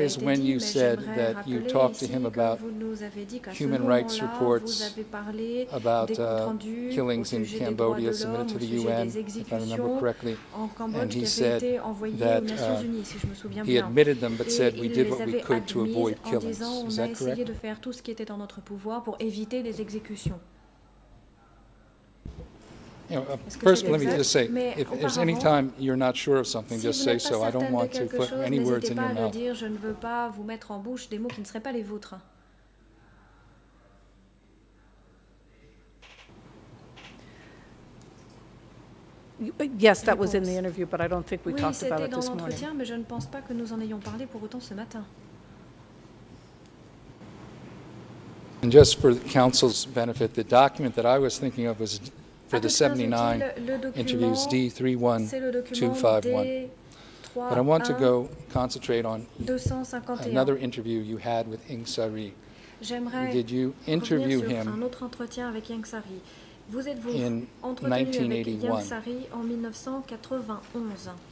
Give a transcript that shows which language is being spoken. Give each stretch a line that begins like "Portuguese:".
English: is when you said that you talked to him about human rights reports, about killings in Cambodia submitted to the UN, if I remember correctly, and he said that he admitted them but said we did what we could to avoid killings. Is that correct?
French: De faire tout ce qui était en notre pouvoir pour éviter les exécutions.
English: First, let me just say, if there's any time you're not sure of something, just say so. I don't want to put any words in your mouth.
French: Dire, je ne veux pas vous mettre en bouche des mots qui ne seraient pas les vôtres.
English: Yes, that was in the interview, but I don't think we talked about it this morning.
French: Oui, c'était dans l'entretien, mais je ne pense pas que nous en ayons parlé pour autant ce matin.
English: And just for the council's benefit, the document that I was thinking of was for the 79 interviews, D31251. But I want to go concentrate on another interview you had with Ing Sari. Did you interview him
French: un autre entretien avec Ing Sari? Vous êtes-vous entretenu avec Ing Sari en 1991?